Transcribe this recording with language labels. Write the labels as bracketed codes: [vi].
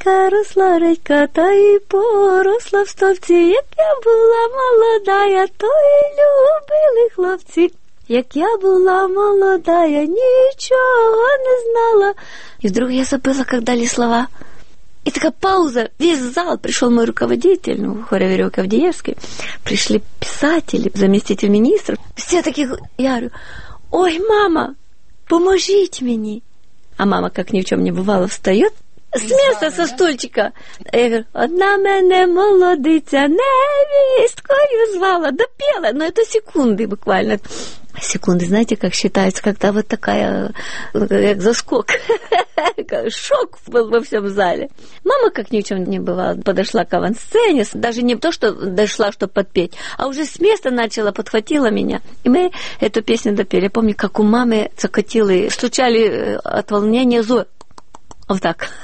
[uk] Росла редька, та і поросла в стовці, як я була молодая, то й любили хлопці. Як я була молодая, нічого не знала. І вдруг я забила, як далі слова. [ru] И такая пауза, весь зал, пришел мой руководитель, ну, хоровик Авдеевский, пришли писатели, заместитель министра. Все такие, я говорю, ой, мама, поможите мне. А мама, как ни в чем не бывало, встает с места, со стульчика. А я говорю, [uk] одна мене молодиця невісткою звала, [ru] допела, но это секунды буквально. Секунды, знаете, как считается, когда вот такая, как заскок, шок был во всем зале. Мама, как ни в чем не бывало, подошла к авансцене, даже не то, что дошла, чтобы подпеть, а уже с места начала, подхватила меня. И мы эту песню допели. Я помню, как у мамы закатили, стучали от волнения зубы. Вот так.